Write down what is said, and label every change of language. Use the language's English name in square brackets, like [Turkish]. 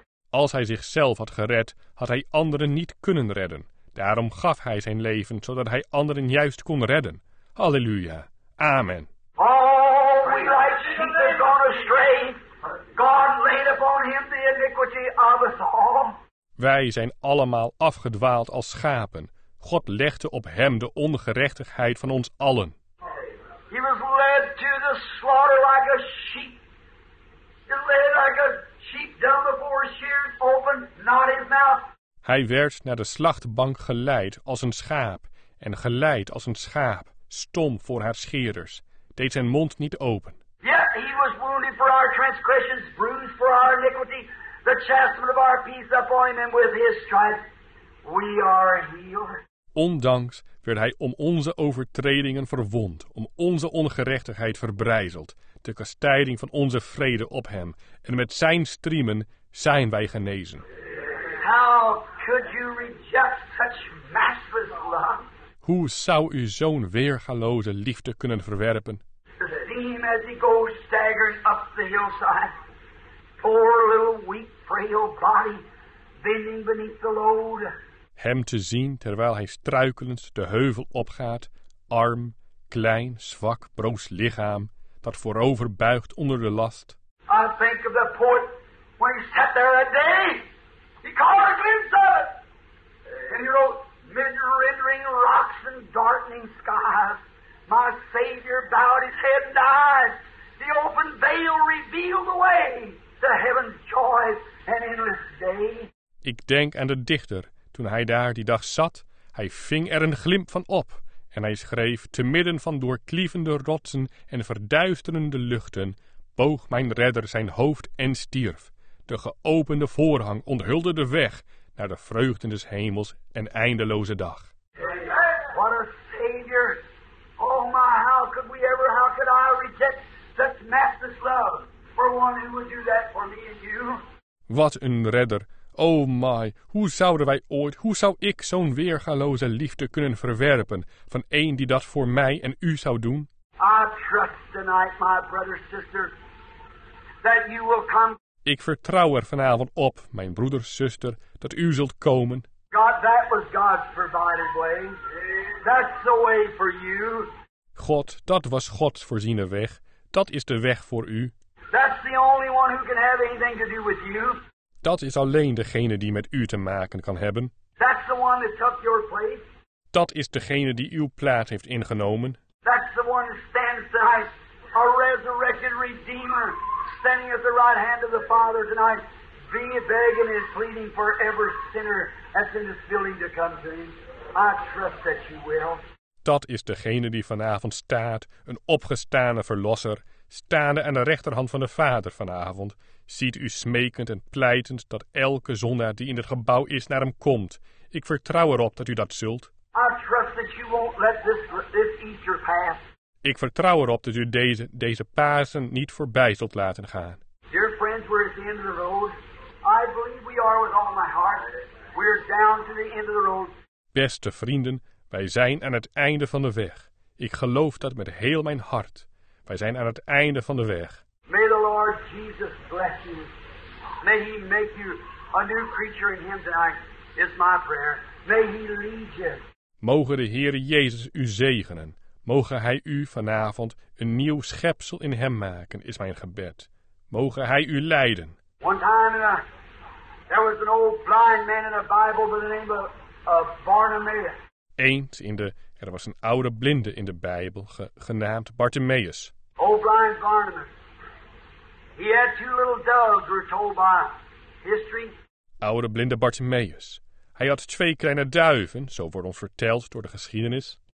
[Dutch] Als hij zichzelf had gered, had hij anderen niet kunnen redden. Daarom gaf hij zijn leven, zodat hij anderen juist kon redden. Halleluja. Amen. [English] Oh, we like sheep have gone astray. God laid upon him the iniquity of us all. [Dutch] Wij zijn allemaal afgedwaald als schapen. God legde op hem de ongerechtigheid van ons allen. [English] He was led to the slaughter like a sheep. He like a sheep dumb before shears, open not his mouth. [Dutch] Hij werd naar de slachtbank geleid als een schaap, en geleid als een schaap, stom voor haar scheerders, deed zijn mond niet open. [English] Yet he was wounded for our transgressions, bruised for our iniquity, the chastisement of our peace upon him, and with his stripes we are healed. [Dutch] Ondanks werd hij om onze overtredingen verwond, om onze ongerechtigheid verbrijzeld, de kastijding van onze vrede op hem, en met zijn striemen zijn wij genezen. [English] How could you reject such matchless love? [Dutch] Hoe zou u zo'n weergaloze liefde kunnen verwerpen? [English] The theme as he goes staggering up the hillside, poor little weak frail body bending beneath the load. [Dutch] Hem te zien terwijl hij struikelend de heuvel opgaat, arm, klein, zwak, broos lichaam, dat voorover buigt onder de last. [English] I think of the poet when he sat there that day. He caught a glimpse of it. And he wrote, mid-rendering rocks and darkening skies, my Savior bowed his head and died. The open veil revealed the way to heaven's joys and endless day. [Dutch] Ik denk aan de dichter. Toen hij daar die dag zat, hij ving er een glimp van op en hij schreef, te midden van doorklievende rotsen en verduisterende luchten, boog mijn redder zijn hoofd en stierf. De geopende voorhang onthulde de weg naar de vreugde des hemels en eindeloze dag. [English] What a savior! Oh my, how could we ever, how could I reject such matchless love for one who would do that for me and you? [Dutch] Wat een redder! Oh my, hoe zouden wij ooit, hoe zou ik zo'n weergaloze liefde kunnen verwerpen van een die dat voor mij en u zou doen? [English] I trust tonight, my brother, sister, that you will come. [Dutch] Ik vertrouw er vanavond op, mijn broeder, zuster, dat u zult komen. [English] God, that was God's provided way. That's the way for you. [Dutch] God, dat was Gods voorziene weg. Dat is de weg voor u. [English] That's the only one who can have anything to do with you. [Dutch] Dat is alleen degene die met u te maken kan hebben. [English] That's the one that took your place. [Dutch] Dat is degene die uw plaats heeft ingenomen. [English] That's the one that stands tonight, a resurrected redeemer, standing at the right hand of the Father tonight, begging and pleading for every sinner that's in this building to come to him. I trust that you will. [Dutch] Dat is degene die vanavond staat, een opgestane verlosser, staande aan de rechterhand van de Vader vanavond. Ziet u smekend en pleitend dat elke zondaar die in het gebouw is naar hem komt. Ik vertrouw erop dat u dat zult. [English] I trust that you won't let this Easter pass. [Dutch] Ik vertrouw erop dat u deze Pasen niet voorbij zult laten gaan. [English] Dear friends, we're at the end of the road. I believe we are with all my heart. We're down to the end of the road. [Dutch] Beste vrienden, wij zijn aan het einde van de weg. Ik geloof dat met heel mijn hart. Wij zijn aan het einde van de weg. [English] May the Lord Jesus bless you. May he make you a new creature in him tonight, is my prayer. May he lead you. [Dutch] Mogen de Heere Jezus u zegenen. Mogen hij u vanavond een nieuw schepsel in hem maken, is mijn gebed. Mogen hij u leiden. [English] One time there was an old blind man in the Bible by the name of Bartimaeus. [Dutch] Eens in de, er was een oude blinde in de Bijbel, genaamd Bartimaeus. [English] Old blind Barnabas. He had two little doves, we're told by history. [Dutch] Oude blinde Bartimaeus. Hij had twee kleine duiven, zo wordt ons verteld door de geschiedenis.